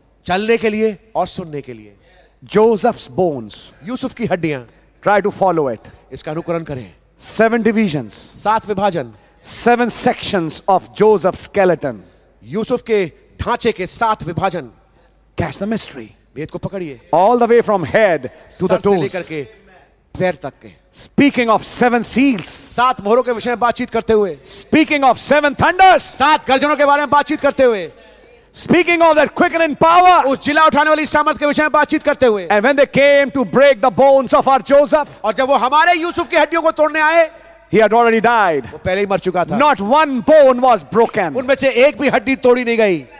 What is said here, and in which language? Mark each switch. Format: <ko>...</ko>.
<hi>चलने के लिए और सुनने के लिए</hi> <en>Joseph's bones.</en> <hi>यूसुफ की हड्डियां</hi> <en>Try to follow it.</en> <hi>इसका अनुकरण करें</hi> <en>Seven divisions.</en> <hi>सात विभाजन</hi> <en>Seven sections of Joseph's skeleton.</en> <hi>Yusuf के ढांचे के सात विभाजन</hi> <en>Catch the mystery.</en> <hi>भेद को पकड़िए</hi> <en>All the way from head to the toes.</en> <hi>Sir से लेकर के पैर तक के</hi> <en>Speaking of seven seals.</en> <hi>सात मोहरों के विषय में बातचीत करते हुए</hi> <en>Speaking of seven thunders.</en> <hi>सात गर्जनों के बारे में बातचीत करते हुए</hi> <en>Speaking of that quickening power,</en> <hi>उस जिला उठाने वाली सामर्थ के विषय में बातचीत करते हुए,</hi> <en>and when they came to break the bones of our Joseph,</en> <hi>और जब वो हमारे यूसुफ की हड्डियों को तोड़ने आए,</hi> <en>he had already died.</en> <hi>वो पहले ही मर चुका था.</hi> <en>Not one bone was broken.</en> <hi>उनमें से एक भी हड्डी तोड़ी नहीं गई.</hi>